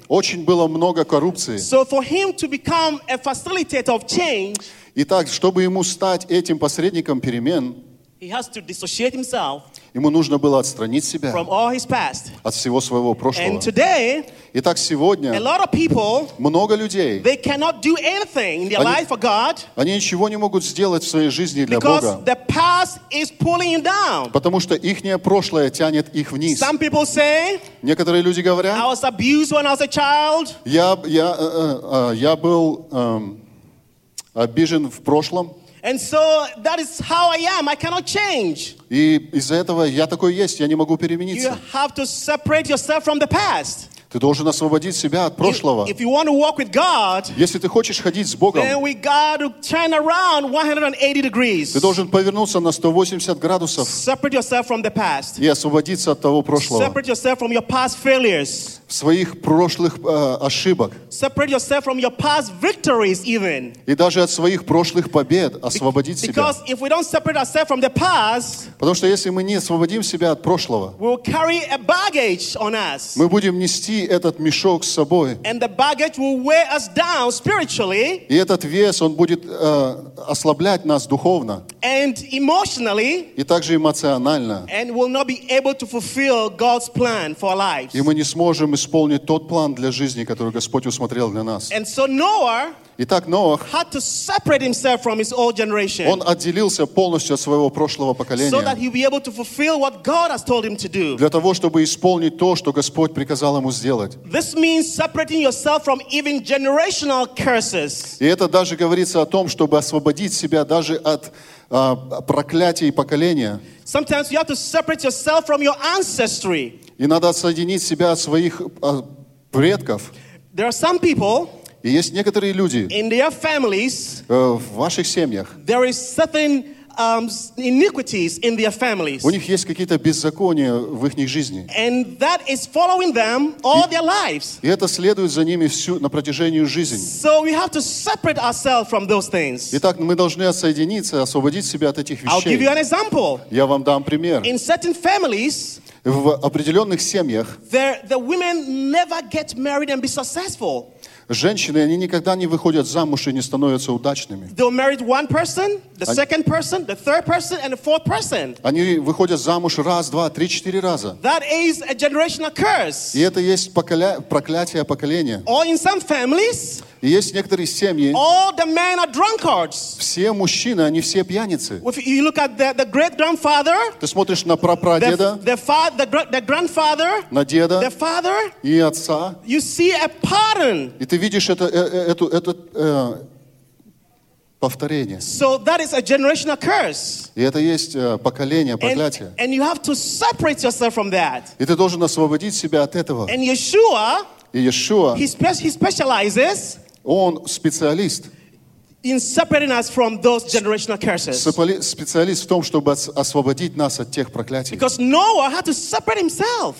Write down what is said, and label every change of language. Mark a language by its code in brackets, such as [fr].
[ru] Очень было много коррупции. [en] So for him to become a facilitator of change, [ru] итак, чтобы ему стать этим посредником перемен, [en] he has to dissociate himself, [ru] ему нужно было отстранить себя [en] from all his past, [ru] от всего своего прошлого. [en] And today, [ru] итак, сегодня, [en] a lot of people, [ru] много людей, [en] they cannot do anything in their life for God, [ru] они ничего не могут сделать в своей жизни для [en] because [ru] Бога, [en] the past is pulling you down, [ru] потому что ихнее прошлое тянет их вниз. [en] Some people say, [ru] некоторые люди говорят, [en] I was abused when I was a child, [ru] я был обижен в прошлом. [en] And so that is how I am. I cannot change. [ru] И из-за этого я такой есть, я не могу перемениться. [en] You have to separate yourself from the past. [ru] Ты должен освободить себя от прошлого. [en] If you want to walk with God, [ru] если ты хочешь ходить с Богом, [en] then we got to turn around 180 degrees. [ru] Ты должен повернуться на 180 градусов. [en] Separate yourself from the past. [ru] И освободиться от того прошлого. [en] Separate yourself from your past failures. [ru] Своих прошлых ошибок. [en] Separate yourself from your past victories even. [ru] И даже от своих прошлых побед освободить себя. [en] Because if we don't separate ourselves from the past, [ru] потому что если мы не освободим себя от прошлого, [en] we will carry a baggage on us. [ru] Мы будем нести этот мешок с собой. [en] And the baggage will weigh us down spiritually. [ru] И этот вес, он будет ослаблять нас духовно. [en] And emotionally. [ru] И также эмоционально. [en] And will not be able to fulfill God's plan for our lives. [ru] И мы не сможем исполнить тот план для жизни, который Господь усмотрел для нас. [en] And so Noah, [ru] итак, Ноах, [en] had to separate himself from his old generation, [ru] он отделился полностью от своего прошлого поколения, [en] so that he'll be able to fulfill what God has told him to do. [ru] Для того, чтобы исполнить то, что Господь приказал ему сделать. [en] This means separating yourself from even generational curses. [ru] И это даже говорится о том, чтобы освободить себя даже от проклятий поколения. [en] Sometimes you have to separate yourself from your ancestry. [ru] И надо отсоединить себя от своих предков. [en] There are some people, [ru] и есть некоторые люди [en] in their families, [ru] в ваших семьях. [en] There is certain, iniquities in their families. [ru] У них есть какие-то беззакония в их жизни. [en] And that is following them all their lives. [ru] И это следует за ними всю, на протяжении жизни. [en] So we have to separate ourselves from those things. [ru] Итак, мы должны отсоединиться, освободить себя от этих вещей. [en] I'll give you an example. [ru] Я вам дам пример. [en] In certain families, [ru] в определенных семьях [en] the women never get married and be successful. [ru] Женщины, они никогда не выходят замуж и не становятся удачными. [en] They'll marry one person, the second person, the third person, and the fourth person. [ru] Они выходят замуж раз, два, три, четыре раза. [en] That is a generational curse. [ru] И это есть проклятие поколения. [en] Or in some families, [ru] И есть некоторые семьи. [en] All the men are drunkards. [ru] Все мужчины, они все пьяницы. [en] If you look at the great grandfather. [ru] Ты смотришь на прапрадеда. [en] The grandfather. [ru] На деда. [en] The father. [ru] И отца. [en] You see a pattern. [ru] И ты видишь это повторение. [en] So that is a generational curse. [ru] И это есть поколение, проклятие. [en] And you have to separate yourself from that. [ru] И ты должен освободить себя от этого. [en] And Yeshua. [ru] И Иешуа, [en] he specializes, [ru] он специалист, [en] in separating us from those generational curses. [ru] Специалист в том, чтобы освободить нас от тех проклятий. [en] Because Noah had to separate himself.